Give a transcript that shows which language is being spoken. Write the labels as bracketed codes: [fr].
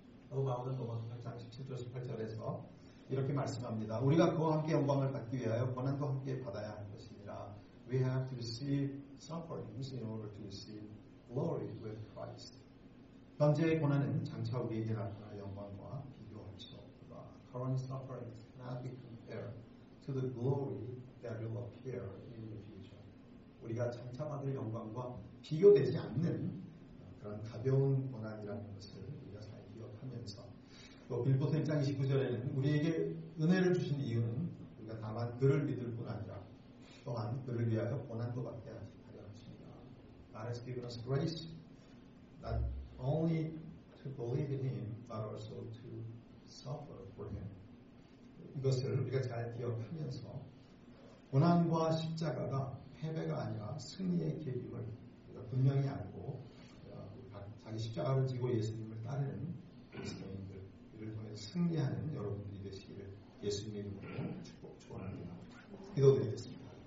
[ko] 로마서 8장 17절 18절에서 이렇게 말씀합니다. 우리가 그와 함께 영광을 받기 위하여 고난도 함께 받아야 할 것이니라. [en] We have to receive sufferings in order to receive glory with Christ. [ko] 현재의 고난은 장차 우리에게 나타날 영광과 비교할 수 없다. [en] Current suffering cannot be compared to the glory that will appear in the future. [ko] 우리가 장차 받을 영광과 비교되지 않는 그런 가벼운 고난이라는 것을 우리가 잘 기억하면서 또 빌립보서 1장 29절에는 우리에게 은혜를 주신 이유는 우리가 다만 그를 믿을 뿐 아니라 또한 그를 위하여 고난도 받게 하였습니다. [en] God has given us grace not only to believe in Him but also to suffer for Him. [ko] 이것을 우리가 잘 기억하면서 고난과 십자가가 패배가 아니라 승리의 길임을 우리가 분명히 알고 자기 십자가를 지고 예수님을 따르는 그리스도인들을 통해 승리하는 여러분들이 되시기를 예수님의 이름으로 축복 축원합니다. 기도드리겠습니다.